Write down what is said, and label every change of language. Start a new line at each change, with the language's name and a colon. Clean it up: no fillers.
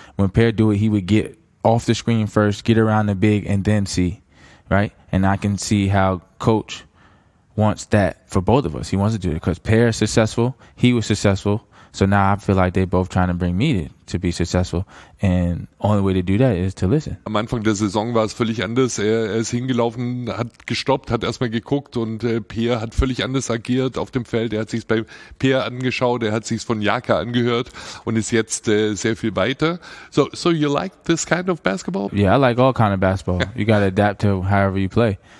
English: When Pear do it, he would get off the screen first, get around the big, and then see, right? And I can see how Coach wants that for both of us. He wants to do it because Pear is successful. He was successful. So now I feel like they're both trying to bring me to be successful. And only way to do that is to listen.
German: Am Anfang der Saison war es völlig anders. Er ist hingelaufen, hat gestoppt, hat erstmal geguckt und Pierre hat völlig anders agiert auf dem Feld. Er hat sich's bei Pierre angeschaut, er hat sich's von Jaka angehört und ist jetzt sehr viel weiter.
English: So you like this kind of basketball? Yeah, I like all kind of basketball. You gotta adapt to however you play.